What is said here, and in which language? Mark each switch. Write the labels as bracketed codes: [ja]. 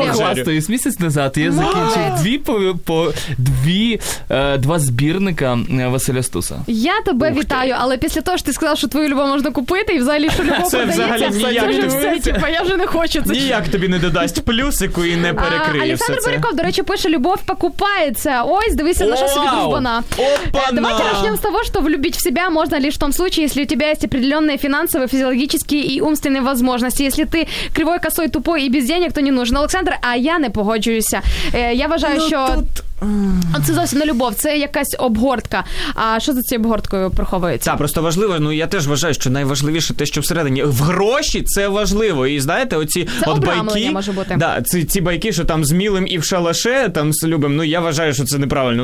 [uk] А я похвастаюсь місяць назад, я закінчив два збірника Василя Стуса. Я тебе вітаю, але після того, що ти сказав, що твою любов можна купити, і взагалі, що любов це подається, взагалі ніяк це вже все, типу, я вже не хочу. Це ніяк ще тобі не додасть плюсику і не перекриє все це. Олександр Буряков, до речі, купается. Ой, дивися, наша себе дружбана. [ru] Давайте начнем с того, что влюбить в себя можно лишь в том случае, если у тебя есть определенные финансовые, физиологические и умственные возможности. Если ты кривой, косой, тупой и без денег, то не нужен. [uk] Олександр, а я не погоджуюся. Я вважаю, ну, що... Тут... Це зовсім не любов, це якась обгортка. А що за цією обгорткою приховується? Так, просто важливо, ну я теж вважаю, що найважливіше те, що всередині. В гроші це важливо. І знаєте, оці це от байки, може бути. Да, ці байки, що там з мілим і в шалаше, там з любим, ну я вважаю, що це неправильно.